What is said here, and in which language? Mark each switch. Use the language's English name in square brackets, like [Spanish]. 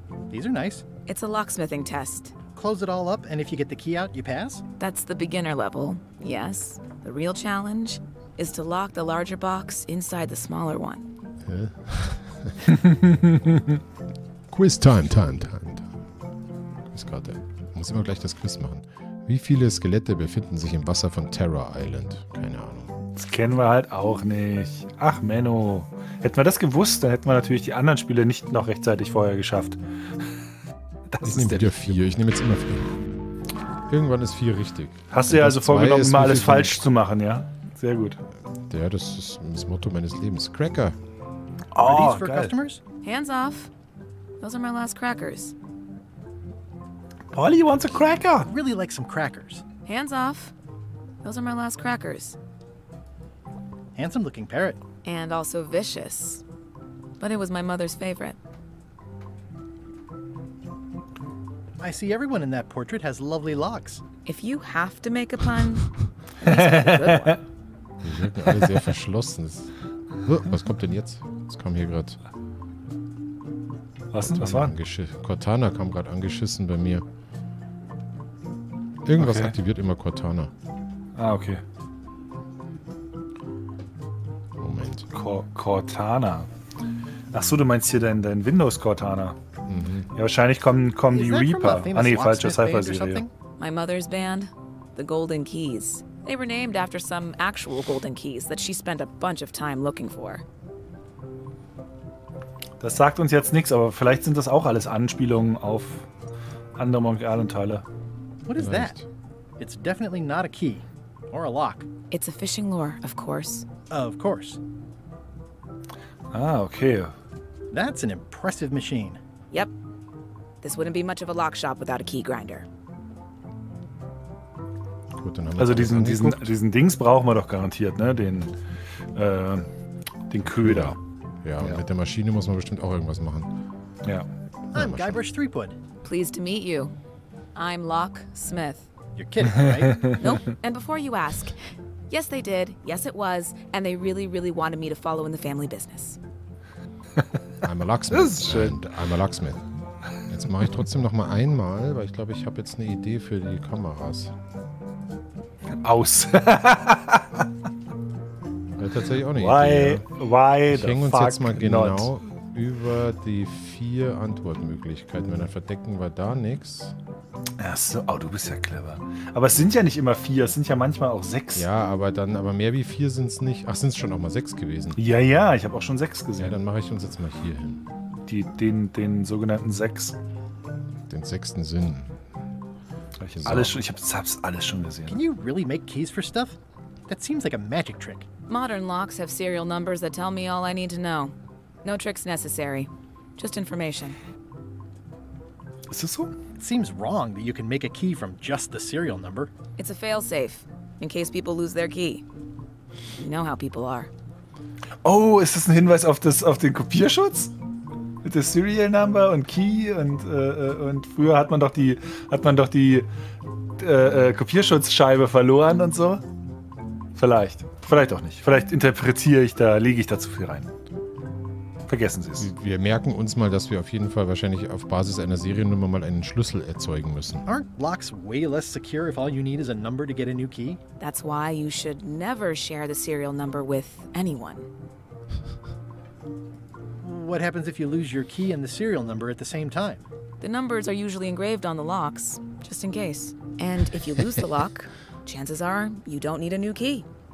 [English] These are nice. It's a locksmithing test. Close it all up, and if you get the key out, you pass? That's the beginner level, yes. The real challenge is to lock the larger box inside the smaller one. Quiz time. [German] Quizkarte. Ich muss immer gleich das Quiz machen. Wie viele Skelette befinden sich im Wasser von Terror Island? Keine Ahnung. Das kennen wir halt auch nicht. Ach, Menno. Hätten wir das gewusst, dann hätten wir natürlich die anderen Spiele nicht noch rechtzeitig vorher geschafft. Ich nehme jetzt immer 4. Irgendwann ist 4 richtig. Hast du dir also vorgenommen, mal alles falsch zu machen, ja? Sehr gut. Ja, das ist das Motto meines Lebens. Cracker. [English] Oh, are these for geil. Customers? Hands off. Those are my last crackers. Polly wants a cracker. I really like some crackers. Hands off. Those are my last crackers. Handsome looking parrot. And also vicious. But it was my mother's favorite. I see everyone in that portrait has lovely locks. If you have to make a pun, this is a good one. [German] Die wirken alle sehr verschlossen. Was kommt denn jetzt? Was kam hier gerade? Was war? Cortana kam gerade angeschissen bei mir. Irgendwas okay. Aktiviert immer Cortana. Ah, okay. Moment. Cortana. Achso, du meinst hier dein Windows Cortana. Mhm. Ja, wahrscheinlich kommen die Reaper. Ah, nee, falsche Cypher-Serie. [English] My mother's band, The Golden Keys. They were named after some actual golden keys that she spent a bunch of time looking for. [German] Das sagt uns jetzt nichts, aber vielleicht sind das auch alles Anspielungen auf andere Monkey Island-Teile. [English] What is that? It's definitely not a key. Or a lock. It's a fishing lure, of course. Of course. Ah, okay. That's an impressive machine. Yep. This wouldn't be much of a lock shop without a key grinder. [German] Gut, dann haben wir also diesen Dings brauchen wir doch garantiert, ne? Den Köder. Ja, und mit der Maschine muss man bestimmt auch irgendwas machen. Ja. [English] I'm Guybrush Threepwood. Pleased to meet you. I'm Locke Smith. You're kidding, right? Nope. And before you ask, yes, they did. Yes, it was. And they really, really wanted me to follow in the family business. I'm a locksmith. [German] Das ist schön. [English] I'm a locksmith. [German] Jetzt mache ich trotzdem noch mal einmal, weil ich glaube, ich habe jetzt eine Idee für die Kameras. Aus. Ja, tatsächlich auch nicht. [English] Why [German] ich häng uns jetzt mal genau [English] not. [German] Über die 4 Antwortmöglichkeiten. Wenn dann verdecken wir da nichts. Achso, oh, du bist ja clever. Aber es sind ja nicht immer 4, es sind ja manchmal auch 6. Ja, aber mehr wie 4 sind es nicht. Ach, sind es schon auch mal 6 gewesen? Ja, ja, ich habe auch schon 6 gesehen. Ja, dann mache ich uns jetzt mal hier hin. Den sogenannten 6. Den sechsten Sinn. Ich hab's alles schon gesehen. [English] Can you really make keys for stuff? That seems like a magic trick. Modern locks have serial numbers that tell me all I need to know. No tricks necessary. Just information. Is this one? It seems wrong that you can make a key from just the serial number. It's a fail-safe, in case people lose their key. You know how people are. [German] Oh, ist das ein Hinweis auf den Kopierschutz? Mit der Serial Number und Key und früher hat man doch die Kopierschutzscheibe verloren und so? Vielleicht. Vielleicht auch nicht. Vielleicht interpretiere ich da, lege ich da zu viel rein. Vergessen Sie es. Wir merken uns mal, dass wir auf jeden Fall wahrscheinlich auf Basis einer Seriennummer mal einen Schlüssel erzeugen müssen. [English] Aren't locks way less secure if all you need is a number to get a new key? That's why you should never share the serial number with anyone. What happens if you lose your key and the serial number at the same time? The numbers are usually engraved on the locks, just in case. And if you lose the lock, chances are you don't need a new key.